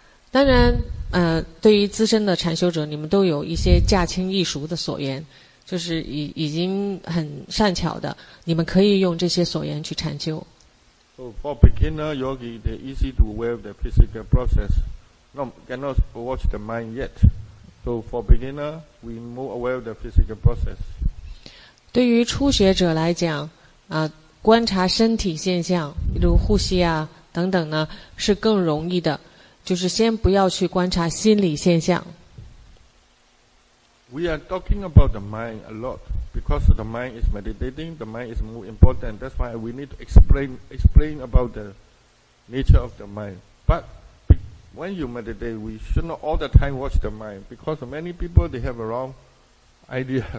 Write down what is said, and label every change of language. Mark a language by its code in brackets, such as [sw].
[zh] 当然，对于资深的禅修者，你们都有一些驾轻易熟的所缘，就是已经很善巧的，你们可以用这些所缘去禅修。 [en] So for beginner yogi, they're easy to aware the physical process. No, cannot watch the mind yet. So for beginner, we more aware of the physical process. [zh] 对于初学者来讲，观察身体现象，比如呼吸啊等等呢，是更容易的。就是先不要去观察心理现象。 [en] We are talking about the mind a lot because the mind is meditating. The mind is more important. That's why we need to explain about the nature of the mind. But. When you meditate, we should not all the time watch the mind because many people, they have a wrong idea.